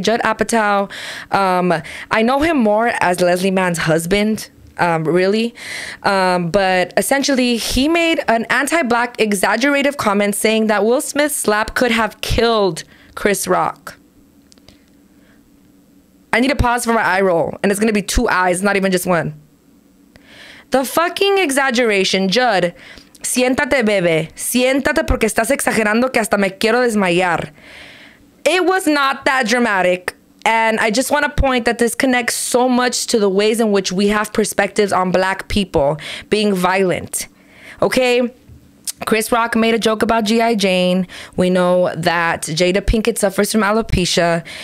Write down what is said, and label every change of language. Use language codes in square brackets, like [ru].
[en] Judd Apatow, I know him more as Leslie Mann's husband, but essentially he made an anti-black exaggerative comment saying that Will Smith's slap could have killed Chris Rock. I need to pause for my eye roll, and it's going to be 2 eyes, not even just 1. The fucking exaggeration, Judd. [es] Siéntate, bebé. Siéntate porque estás exagerando que hasta me quiero desmayar. [en] It was not that dramatic, and I just want to point that this connects so much to the ways in which we have perspectives on black people being violent. Okay? Chris Rock made a joke about G.I. Jane. We know that Jada Pinkett suffers from alopecia.